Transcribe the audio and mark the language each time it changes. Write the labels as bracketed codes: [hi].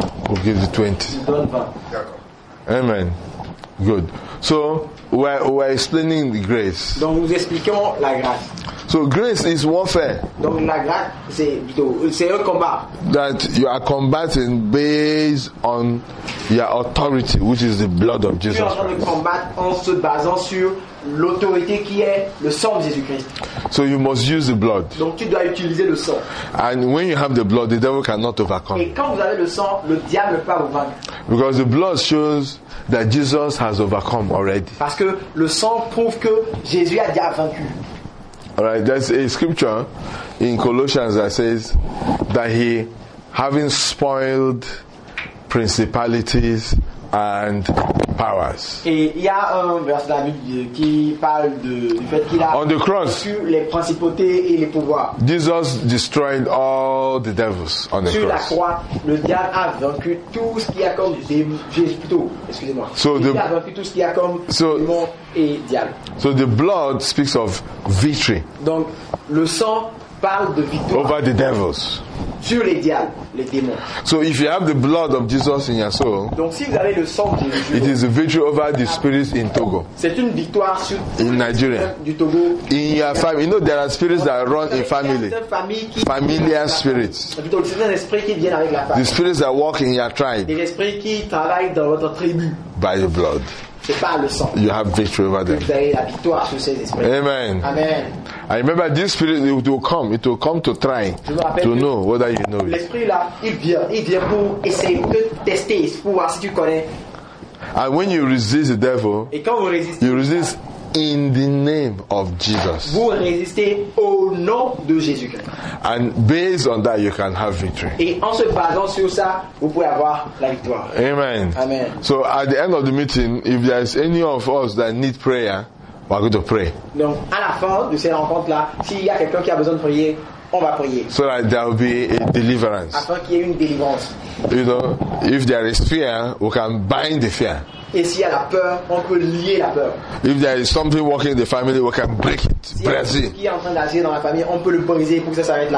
[en] will give you 20. Amen. Good. So we're explaining the grace. [fr] Donc nous expliquons la grâce. [en] So grace is warfare. [fr] Donc la grâce c'est un combat. [en] That you are combating based on your authority, which is the blood of Jesus Christ. [fr] Tu es en train de combattre en se basant sur l'autorité qui est le sang de Jésus-Christ. [en] So you must use the blood. [fr] Donc tu dois utiliser le sang. [en] And when you have the blood, the devil cannot overcome. [fr] Et quand vous avez le sang, le diable ne peut pas vous vaincre. [en] Because the blood shows that Jesus has overcome already. [fr] Parce que le sang prouve que Jésus a déjà vaincu. [en] All right, there's a scripture in Colossians that says that he, having spoiled principalities and powers. [fr] Et il y a un verset de la Bible qui parle du fait qu'il a vaincu les principautés et les pouvoirs. [en] Jesus destroyed all the devils on the [fr] sur [en] cross. [fr] Sur la croix, le diable a vaincu tout ce qu'il y a comme démons. Plutôt, excusez-moi. [en] So [fr] il a vaincu tout ce qu'il y a comme démons et diable. [en] So the blood speaks of victory. [fr] Donc le sang parle de victoire. [en] Over the devils. [fr] Sur les diables, les démons. [en] So if you have the blood of Jesus in your soul, [fr] donc si vous avez le sang de Jésus, [en] it is a victory over the spirits in Togo. [fr] C'est une victoire sur [en] in Nigeria. [fr] Du Togo. [en] In your family, you know there are spirits that run in family. Familiar spirits. [fr] C'est un esprit qui vient avec la famille. [en] The spirits that work in your tribe. [fr] Des esprits qui travaillent dans votre tribu. [en] By the blood. [fr] C'est pas le sang. [en] You have victory over them. [fr] Vous avez la victoire sur ces esprits. [en] Amen. [fr] Amen. [en] I remember this spirit, it will come to try, to know whether you know it. [fr] L'esprit là, il vient pour essayer de tester, pour voir si tu connais. [en] And when you resist the devil, [fr] et quand vous résistez, [en] you resist in the name of Jesus. [fr] Vous résistez au nom de Jésus Christ. [en] And based on that, you can have victory. [fr] Et en se basant sur ça, vous pouvez avoir la victoire. [en] Amen. [fr] Amen. [en] So at the end of the meeting, if there is any of us that need prayer, we're going to pray. [fr] Donc, à la fin de ces rencontres-là, s'il y a quelqu'un qui a besoin de prier, on va prier. [en] So that there will be a deliverance. [fr] Afin qu'il y ait une délivrance. [en] You know, if there is fear, we can bind the fear. [fr] Et s'il y a la peur, on peut lier la peur. [en] If there is something working in the family, we can break it. Brazil. [fr] S'il y a quelque chose qui est en train d'agir dans la famille, on peut le briser pour que ça s'arrête là.